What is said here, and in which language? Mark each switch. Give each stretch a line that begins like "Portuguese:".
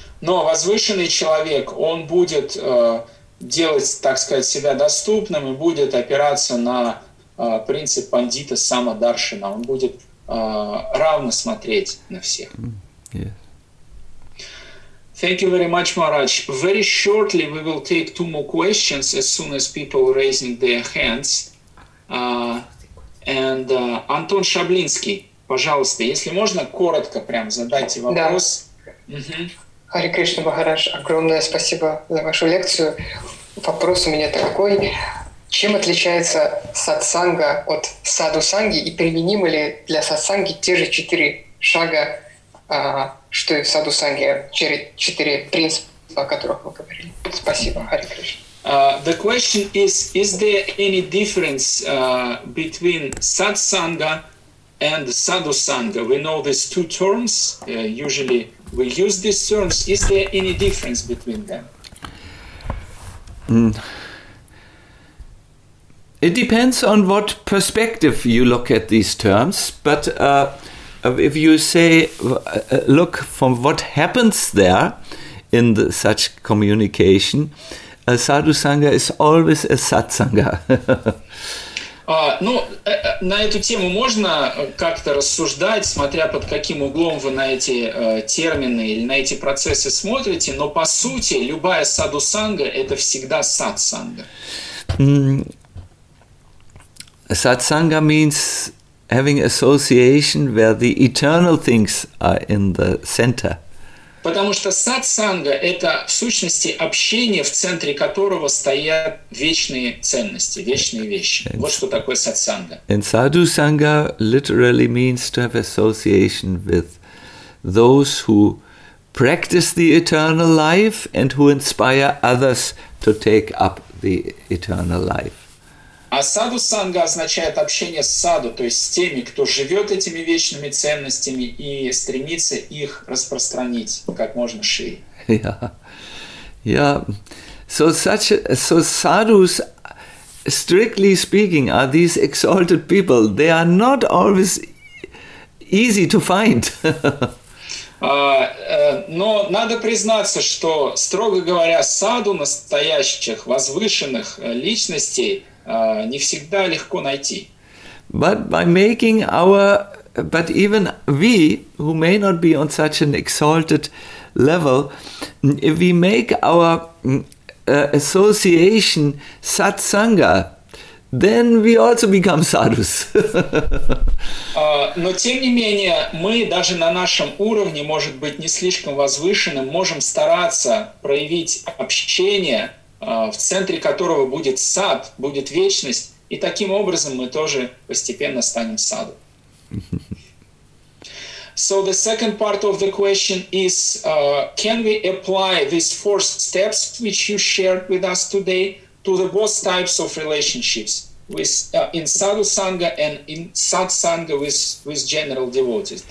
Russian: Но возвышенный человек, он будет делать, так сказать, себя доступным и будет опираться на принцип Пандита Самадаршина. Он будет равно смотреть на всех.
English: Yes. Thank you very much, Maharaj. Very shortly, we will take two more questions as soon as people are raising their hands.
Russian: And Антон Шаблинский, пожалуйста, если можно, коротко прям задайте вопрос. Да. Хари Кришна Махарадж, огромное спасибо за вашу лекцию. Вопрос у меня такой. Чем отличается сатсанга от садусанги и применимы ли для сатсанги те же четыре шага, что и в садусанге, через четыре принципа, о которых вы говорили? Спасибо, Хари Кришна.
English: The question is there any difference between satsanga and sadhusanga? We know these two terms, usually we use these terms. Is there any difference between them? It depends on what perspective you look at these terms, but if you say, look from what happens there in the, such communication, a sadhusanga is always a satsanga.
Russian: Ну, на эту тему можно как-то рассуждать, смотря под каким углом вы на эти термины или на эти процессы смотрите, но по сути любая садусанга – это всегда сатсанга.
English: Сатсанга means having association where the eternal things are in the center.
Russian: Потому что сатсанга – это в сущности общение, в центре которого стоят вечные ценности, вечные вещи. And вот что такое сатсанга.
English: And sadhusanga literally means to have association with those who practice the eternal life and who inspire others to take up the eternal life.
Russian: А садусанга означает общение с саду, то есть с теми, кто живет этими вечными ценностями и стремится их распространить как можно шире.
English: Yeah. Yeah. So sadhus, strictly speaking, are these exalted people. They are not always easy to find.
Russian: Но надо признаться, что, строго говоря, саду настоящих, возвышенных личностей не всегда легко найти.
English: But by making but even we who may not be on such an exalted level, if we make our association satsanga, then we also become sadhus.
Russian: Но тем не менее мы даже на нашем уровне, может быть, не слишком возвышенным, можем стараться проявить общение, в центре которого будет сад, будет вечность, и таким образом мы тоже постепенно станем саду.
English: So the second part of the question is, can we apply these four steps which you shared with us today to the both types of relationships with in sadhu sangha and in satsanga with general devotees?